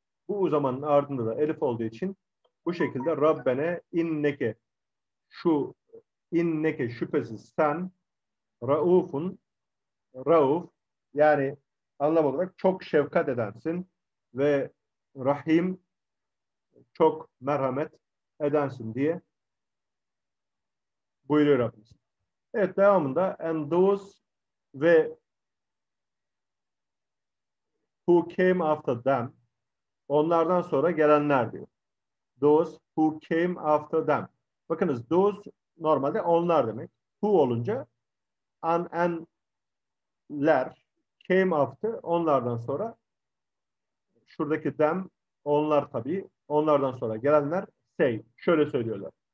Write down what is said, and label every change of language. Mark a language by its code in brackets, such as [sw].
[tr] Bu uzamanın ardında da elif olduğu için bu şekilde [ar] Rabbene inneke, [tr] şu inneke, şüphesiz sen, raufun, rauf, yani anlam olarak çok şefkat edensin ve rahim, çok merhamet edensin diye buyuruyor Rabbimiz. Evet, devamında [en] and those [tr] ve [en] who came after them, [tr] onlardan sonra gelenler diyor. [en] Those who came after them. [tr] Bakınız those normalde onlar demek. Who olunca an and'ler, [en] came after, [tr] onlardan sonra, şuradaki them, onlar tabii, onlardan sonra gelenler, say, şöyle söylüyorlar.